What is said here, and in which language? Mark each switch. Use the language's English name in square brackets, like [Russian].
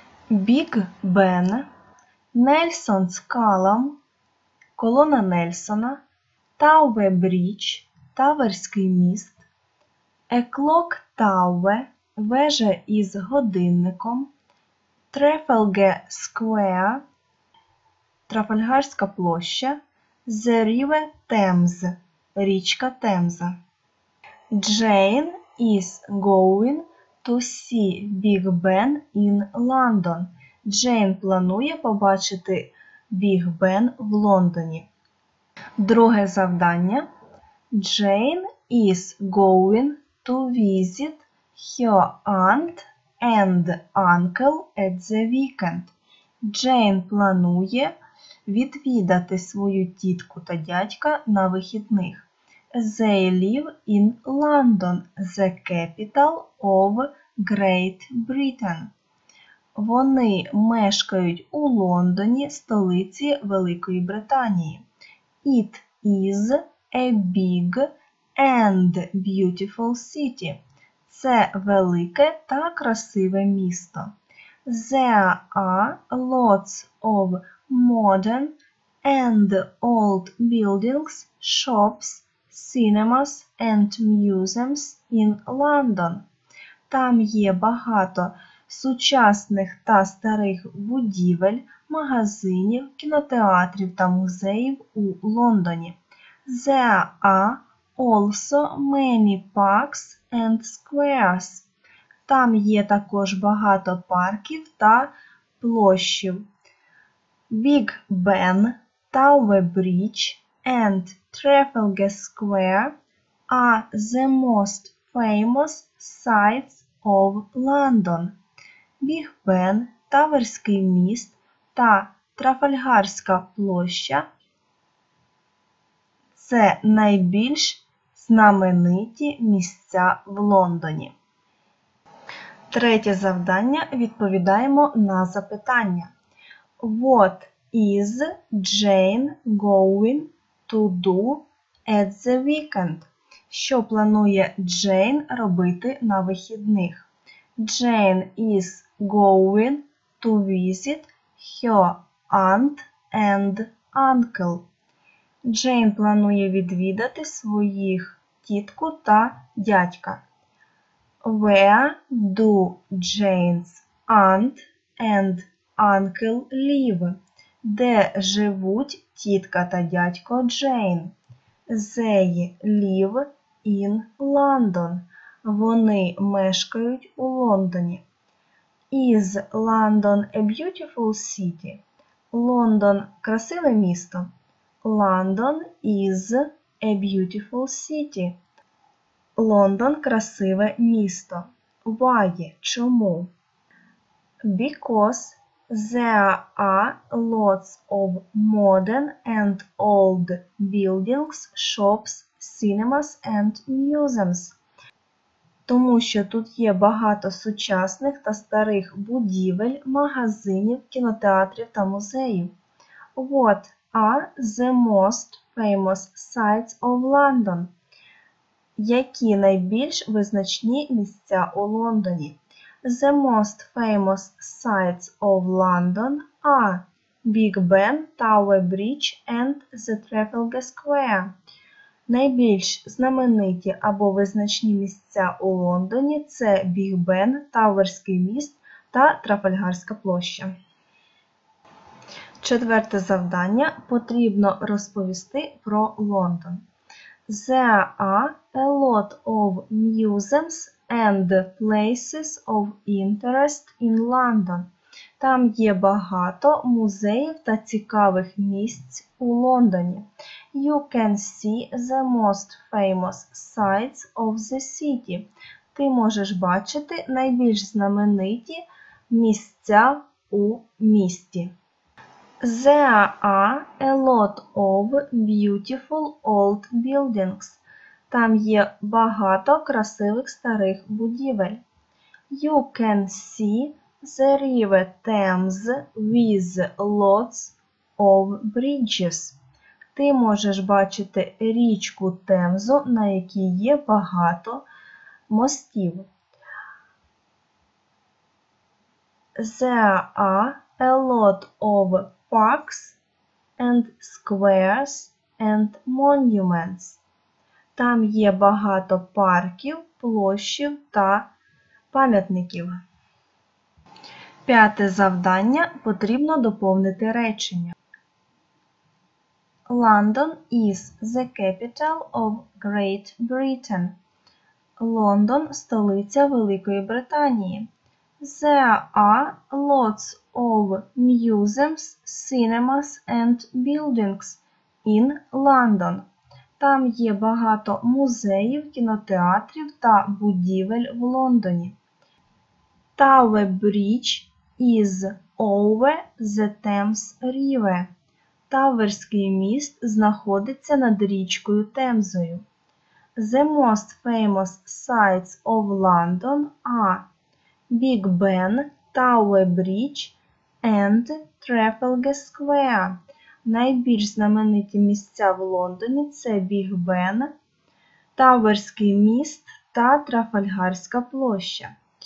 [Ukrainian] Біг Бен, Нельсон з Калом, колона Нельсона, Тауве Брідж, Таверський міст, Еклок Тауве, вежа із годинником, Трафальгар Сквер, Трафальгарська площа, The River Thames, річка Темза. [English] Jane is going to see Big Ben in London. [Ukrainian] Джейн планує побачити Big Ben в Лондоні. Друге завдання. [English] Jane is going to visit her aunt and uncle at the weekend. [Ukrainian] Джейн планує відвідати свою тітку та дядька на вихідних. [English] They live in London, the capital of Great Britain. [Ukrainian] Вони мешкають у Лондоні, столиці Великої Британії. [English] It is a big and beautiful city. [Ukrainian] Це велике та красиве місто. [English] There are lots of modern and old buildings, shops, cinemas and museums in London. [Ukrainian] Там є багато сучасних та старих будівель, магазинів, кінотеатрів та музеїв у Лондоні. [English] There are also many parks and squares. [Ukrainian] Там є також багато парків та площів. [English] Big Ben, Tower Bridge and Trafalgar Square are the most famous sites of London. [Ukrainian] Біг Бен, Таверський міст та Трафальгарська площа – це найбільш знамениті місця в Лондоні. Третє завдання – відповідаємо на запитання. [English] What is Jane going to do at the weekend? [Ukrainian] Що планує Джейн робити на вихідних? [English] Jane is going to visit her aunt and uncle. [Ukrainian] Джейн планує відвідати своїх тітку та дядька. [English] Where do Jane's aunt and uncle live? [Ukrainian] Де живуть тітка та дядько Джейн? [English] They live in London. [Ukrainian] Вони мешкають у Лондоні. [English] Is London a beautiful city? [Ukrainian] Лондон – красиве місто. [English] London is a beautiful city. [Ukrainian] Лондон – красиве місто. [English] Why? [Ukrainian] Чому? [English] Because there are lots of modern and old buildings, shops, cinemas and museums. [Ukrainian] Тому що тут є багато сучасних та старих будівель, магазинів, кінотеатрів та музеїв. [English] What are the most famous sites of London? [Ukrainian] Які найбільш визначні місця у Лондоні? [English] The most famous sites of London are Big Ben, Tower Bridge and the Trafalgar Square. [Ukrainian] Найбільш знамениті або визначні місця у Лондоні – це Біг Бен, Тауерський міст та Трафальгарська площа. Четверте завдання – потрібно розповісти про Лондон. [English] There are a lot of museums and places of interest in London. [Ukrainian] Там є багато музеїв та цікавих місць у Лондоні. [English] You can see the most famous sites of the city. [Ukrainian] Ти можеш бачити найбільш знамениті місця у місті. [English] There are a lot of beautiful old buildings. [Ukrainian] Там є багато красивих старих будівель. [English] You can see the River Thames with lots of bridges. [Ukrainian] Ти можеш бачити річку Темзу, на якій є багато мостів. [English] There are a lot of parks and squares and monuments. [Ukrainian] Там є багато парків, площів та пам'ятників. П'яте завдання – потрібно доповнити речення. [English] London is the capital of Great Britain. [Ukrainian] Лондон – столиця Великої Британії. [English] There are lots of museums, cinemas and buildings in London. [Ukrainian] Там є багато музеїв, кінотеатрів та будівель в Лондоні. [English] Tower Bridge is over the Thames River. [Ukrainian] Тауерський міст знаходиться над річкою Темзою. [English] The most famous sites of London are Big Ben, Tower Bridge and Trafalgar Square. [Ukrainian] Найбільш знамениті місця в Лондоні – це Біг Бен, Тауерський міст та Трафальгарська площа.